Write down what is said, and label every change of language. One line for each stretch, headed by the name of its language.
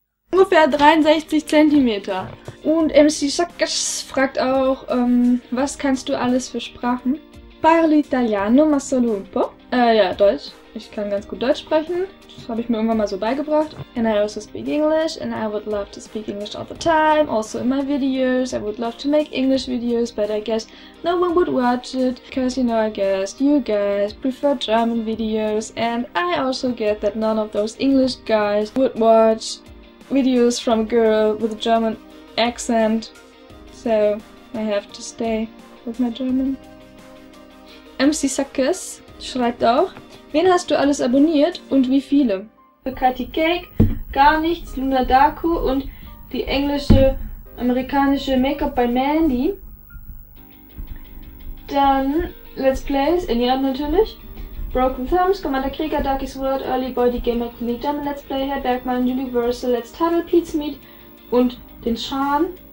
German: Ungefähr 63 cm. Und MC Sackers fragt auch, was kannst du alles für Sprachen?
Italian: Parlo italiano, ma solo un po'.
German: Ja, Deutsch. Ich kann ganz gut Deutsch sprechen. Das habe ich mir irgendwann mal so beigebracht.
English: And I also speak English. And I would love to speak English all the time. Also in my videos. I would love to make English videos. But I guess no one would watch it. Because, you know, I guess you guys prefer German videos. And I also get that none of those English guys would watch videos from a girl with a German accent. So, I have to stay with my German.
German: MC Suckers schreibt auch, wen hast du alles abonniert und wie viele? Kati Cake, gar nichts, Luna Daku und die englische, amerikanische Make-up by Mandy. Dann Let's Plays, Eniat natürlich. Broken Thumbs, Commander Krieger, Darkest World, Early Boy, die Game of League, German Let's Play, Herr Bergmann, Universal, Let's Tunnel, Pete's Meat und den Schan.